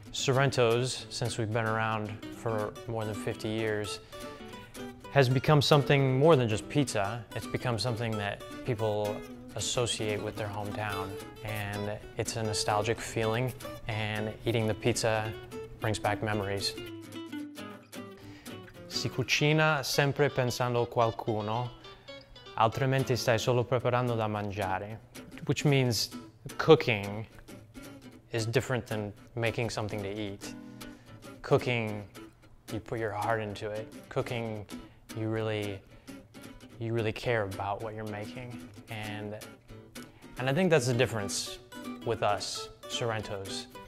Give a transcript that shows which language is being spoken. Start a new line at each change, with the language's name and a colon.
English: Sorrento's, since we've been around for more than 50 years, has become something more than just pizza. It's become something that people associate with their hometown, and it's a nostalgic feeling, and eating the pizza brings back memories.
Italian: Si cucina sempre pensando qualcuno, altrimenti stai solo preparando da mangiare.
English: Which means cooking is different than making something to eat. Cooking, you put your heart into it. Cooking, you really care about what you're making. And I think that's the difference with us, Sorrento's.